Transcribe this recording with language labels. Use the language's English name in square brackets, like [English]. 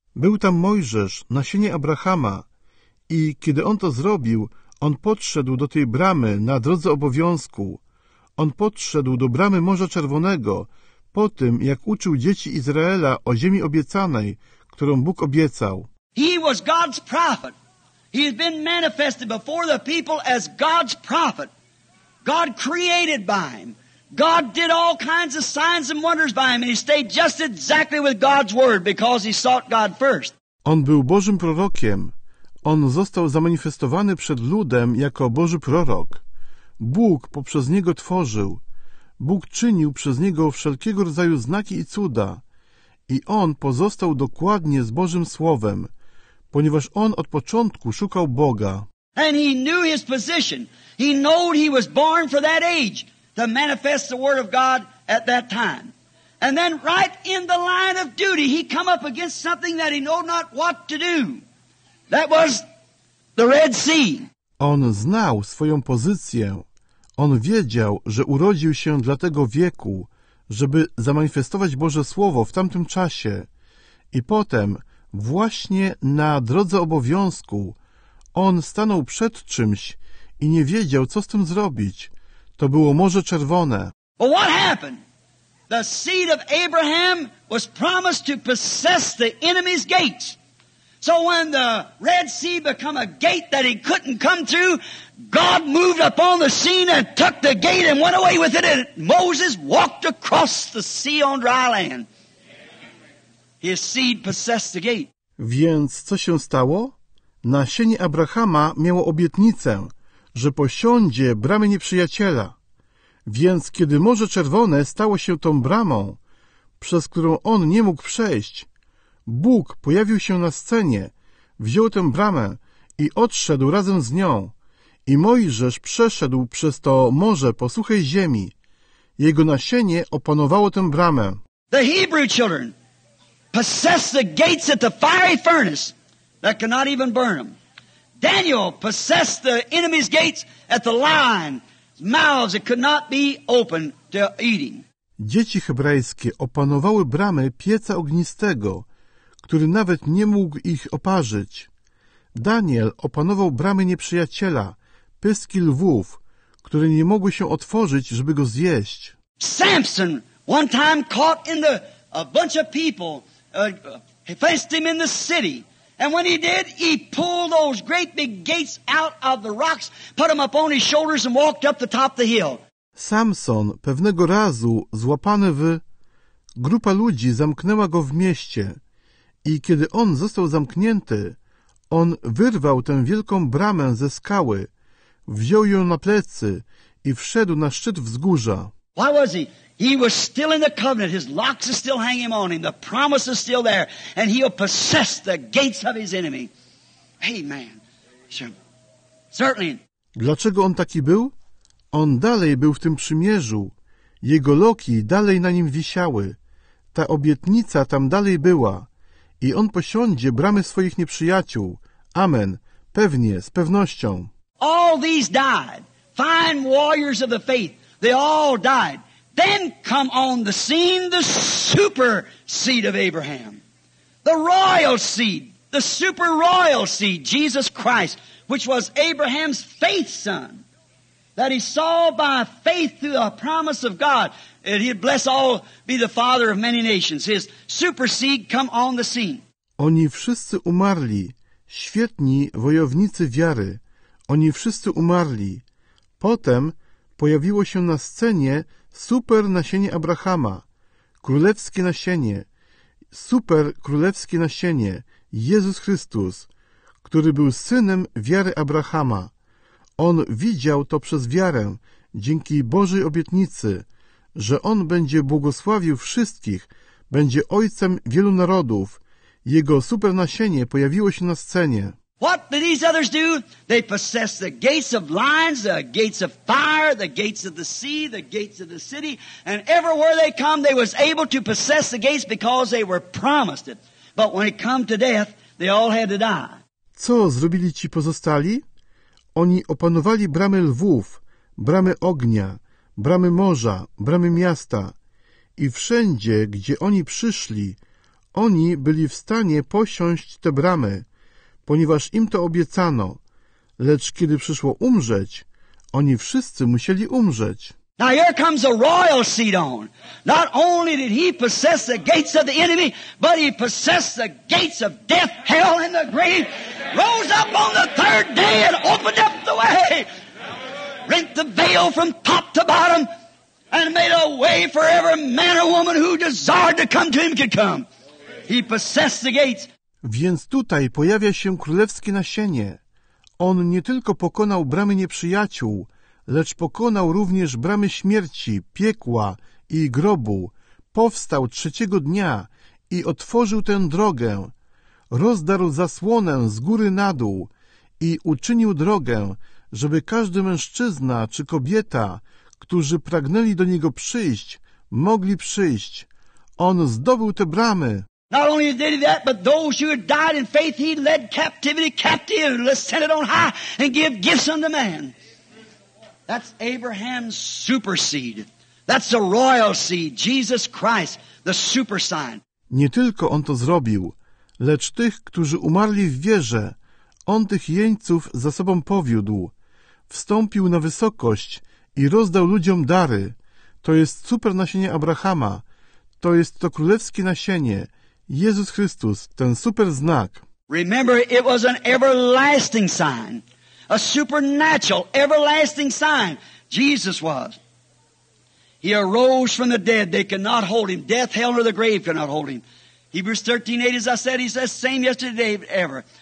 [Polish] Był tam Mojżesz, nasienie Abrahama, i kiedy on to zrobił, on podszedł do tej bramy na drodze obowiązku. On podszedł do bramy Morza Czerwonego po tym, jak uczył dzieci Izraela o ziemi obiecanej, którą Bóg obiecał. [English] He was God's prophet. He had been manifested before the people as God's prophet. God created by him. God did all kinds of signs and wonders by him, and he stayed just exactly with God's word because he sought God first. [Polish] On był Bożym prorokiem. On został zamanifestowany przed ludem jako Boży prorok. Bóg poprzez niego tworzył. Bóg czynił przez niego wszelkiego rodzaju znaki i cuda. I on pozostał dokładnie z Bożym Słowem, ponieważ on od początku szukał Boga. [English] And he knew his position. He knew he was born for that age to manifest the word of God at that time. And then right in the line of duty, he come up against something that he knew not what to do. That was the Red Sea. [Polish] On znał swoją pozycję. On wiedział, że urodził się dla tego wieku, żeby zamanifestować Boże Słowo w tamtym czasie. I potem, właśnie na drodze obowiązku, on stanął przed czymś i nie wiedział, co z tym zrobić. To było Morze Czerwone. [English] But what happened? The seed of Abraham was promised to possess the enemy's gates. So when the Red Sea became a gate that he couldn't come through, God moved upon the scene and took the gate and went away with it, and Moses walked across the sea on dry land. His seed possessed the gate. [Polish] Więc co się stało? Nasienie Abrahama miało obietnicę, że posiądzie bramy nieprzyjaciela. Więc kiedy Morze Czerwone stało się tą bramą, przez którą on nie mógł przejść, Bóg pojawił się na scenie, wziął tę bramę i odszedł razem z nią. I Mojżesz przeszedł przez to morze po suchej ziemi. Jego nasienie opanowało tę bramę. [English] The Hebrew children possessed the gates at the fiery furnace that cannot even burn them. Daniel possessed the enemy's gates at the lion's mouths that could not be opened to eating. [Polish] Dzieci hebrajskie opanowały bramy pieca ognistego, który nawet nie mógł ich oparzyć. Daniel opanował bramy nieprzyjaciela, pyski lwów, które nie mogły się otworzyć, żeby go zjeść. [English] Samson one time caught in the a bunch of people faced him in the city. And when he did, he pulled those great big gates out of the rocks, put them up on his shoulders and walked up the top of the hill. [Polish] Samson pewnego razu złapany w... Grupa ludzi zamknęła go w mieście. I kiedy on został zamknięty, on wyrwał tę wielką bramę ze skały, wziął ją na plecy i wszedł na szczyt wzgórza. [English] Why was he? He was still in the covenant. His locks are still hanging on him. The promise is still there. And he'll possess the gates of his enemy. Amen. Certainly. [Polish] Dlaczego on taki był? On dalej był w tym przymierzu. Jego loki dalej na nim wisiały. Ta obietnica tam dalej była. I on posiądzie bramy swoich nieprzyjaciół. Amen. Pewnie, z pewnością. [English] All these died. Fine warriors of the faith. They all died. Then come on the scene the super seed of Abraham. The royal seed. The super royal seed, Jesus Christ, which was Abraham's faith son. That he saw by faith through the promise of God that he'd bless all, be the father of many nations. His super seed come on the scene. [Polish] Oni wszyscy umarli, świetni wojownicy wiary. Oni wszyscy umarli. Potem pojawiło się na scenie super nasienie Abrahama, królewskie nasienie, super królewskie nasienie, Jezus Chrystus, który był synem wiary Abrahama. On widział to przez wiarę, dzięki Bożej obietnicy, że On będzie błogosławił wszystkich, będzie ojcem wielu narodów. Jego supernasienie pojawiło się na scenie. [English] What do these others do? They possess the gates of lions, the gates of fire, the gates of the sea, the gates of the city. And everywhere they come, they was able to possess the gates because they were promised it. But when it come to death, they all had to die. [Polish] Co zrobili ci pozostali? Oni opanowali bramy lwów, bramy ognia, bramy morza, bramy miasta. I wszędzie, gdzie oni przyszli, oni byli w stanie posiąść te bramy, ponieważ im to obiecano. Lecz kiedy przyszło umrzeć, oni wszyscy musieli umrzeć. [English] Now here comes a royal seed on. Not only did he possess the gates of the enemy, but he possessed the gates of death, hell and the grave. Rose up on the third day and opened up the way. Rent the veil from top to bottom and made a way for every man or woman who desired to come to him could come. He possessed the gates. [Polish] Więc tutaj pojawia się królewskie nasienie. On nie tylko pokonał bramy nieprzyjaciół, lecz pokonał również bramy śmierci, piekła i grobu. Powstał trzeciego dnia i otworzył tę drogę. Rozdarł zasłonę z góry na dół i uczynił drogę, żeby każdy mężczyzna czy kobieta, którzy pragnęli do niego przyjść, mogli przyjść. On zdobył te bramy. [English] Not only did he that, but those who had died in faith, he led captivity captive, ascended on high, and gave gifts unto man. That's Abraham's super seed. That's the royal seed, Jesus Christ, the super sign. [Polish] Nie tylko on to zrobił, lecz tych, którzy umarli w wierze, on tych jeńców za sobą powiódł. Wstąpił na wysokość i rozdał ludziom dary. To jest super nasienie Abrahama. To jest to królewskie nasienie. Jezus Chrystus, ten super znak. [English] Remember, it was an everlasting sign. A supernatural, everlasting sign. Jesus was. He arose from the dead. They cannot hold him. Death, hell, or the grave cannot hold him. Hebrews 13:8, as I said, he says, same yesterday, ever.